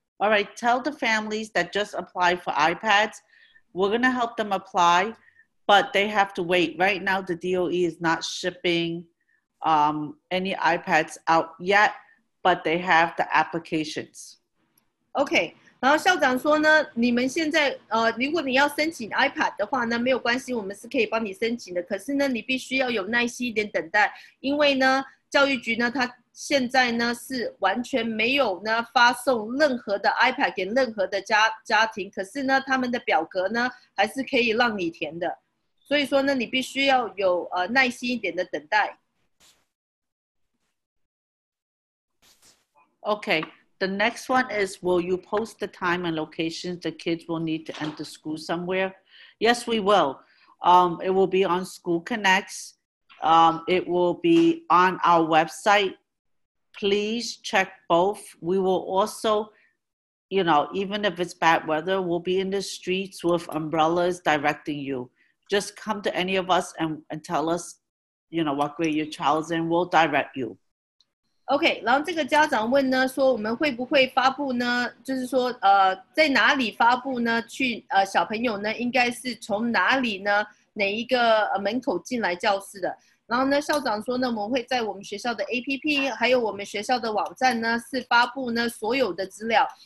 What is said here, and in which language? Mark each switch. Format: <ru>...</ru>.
<en>All right, tell the families that just applied for iPads, we're gonna help them apply. But they have to wait. Right now, the DOE is not shipping any iPads out yet, but they have the applications. Okay.</en> <zh>然后校长说呢，你们现在如果你要申请 iPad 的话呢，没有关系，我们是可以帮你申请的。可是呢，你必须要有耐心一点等待，因为呢，教育局呢，它现在呢是完全没有呢发送任何的 iPad 给任何的家庭。可是呢，他们的表格呢还是可以让你填的。所以说呢，你必须要有耐心一点的等待。</zh> <en>Okay, the next one is, will you post the time and locations the kids will need to enter school somewhere? Yes, we will. It will be on School Connects. It will be on our website. Please check both. We will also, you know, even if it's bad weather, we'll be in the streets with umbrellas directing you. Just come to any of us and tell us, you know, what grade your child's in. We'll direct you.</en> <zh>Okay, 然后这个家长问呢，说我们会不会发布呢？就是说，在哪里发布呢？去小朋友呢，应该是从哪里呢？哪一个门口进来教室的？然后呢，校长说呢，我们会在我们学校的 APP， 还有我们学校的网站呢，是发布呢所有的资料。</zh>